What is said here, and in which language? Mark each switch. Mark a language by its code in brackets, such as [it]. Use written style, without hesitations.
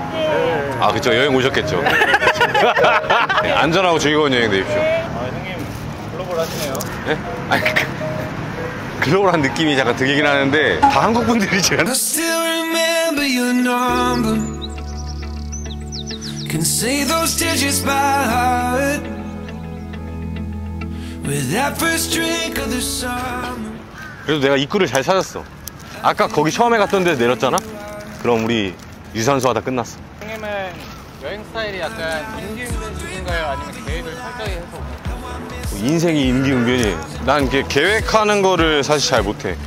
[ko] 네. 아 그쵸, 여행 오셨겠죠. 네, 안전하고 즐거운 여행 되십시오. 아 형님 글로벌 하시네요. 네? 아니 글로벌한 느낌이 잠깐 들긴 하는데 다 한국 분들이지 않나? [en] I still remember your number. Can see those digits by heart. With that first drink of the summer. [ko] 그래도 내가 입구를 잘 찾았어. 아까 거기 처음에 갔던 데서 내렸잖아? 그럼 우리 유산소 하다 끝났어. 형님은 여행 스타일이 약간 임기응변인가요? 아니면 계획을 철저히 해서? 인생이 임기응변이에요. 난 계획하는 거를 사실 잘 못해.